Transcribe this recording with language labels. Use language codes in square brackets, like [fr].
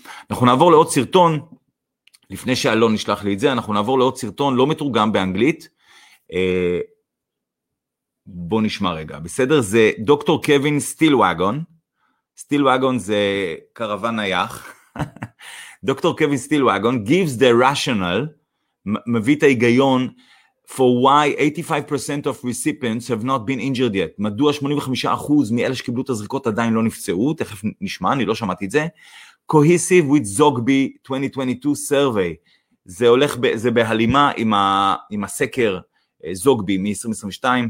[he] אנחנו נעבור לעוד סרטון, לפני שאלון נשלח לי את זה, אנחנו נעבור לעוד סרטון לא מתורגם באנגלית. בוא נשמע רגע, בסדר? זה דוקטור קווין סטילוואגון. סטילוואגון זה קרוון נייח. [en] דוקטור קווין סטילוואגון gives the rationale, [he] מביא את ההיגיון, [en] for why 85% of recipients have not been injured yet. [he] מדוע 85% מאלה שקיבלו את הזריקות עדיין לא נפצעו? תכף נשמע, אני לא שמעתי את זה. [en] Cohesive with Zogby 2022 survey. [he] זה הולך, זה בהלימה עם עם הסקר Zogby מ-2022.